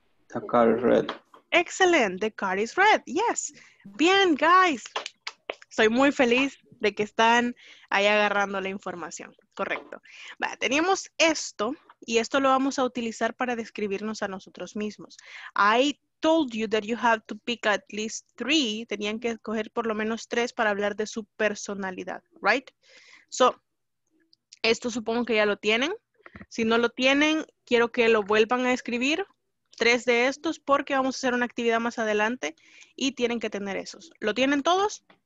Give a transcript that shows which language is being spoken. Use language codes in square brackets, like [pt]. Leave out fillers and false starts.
[en] The car is red. Excellent. The car is red. Yes. [es] Bien, [en] guys. [es] Soy muy feliz de que están ahí agarrando la información. Correcto. Va, teníamos esto, Y esto lo vamos a utilizar para describirnos a nosotros mismos. [en] I told you that you have to pick at least three. [es] Tenían que escoger por lo menos tres para hablar de su personalidad, [en] right? [es] So, esto supongo que ya lo tienen. Si no lo tienen, quiero que lo vuelvan a escribir. Tres de estos porque vamos a hacer una actividad más adelante y tienen que tener esos. ¿Lo tienen todos?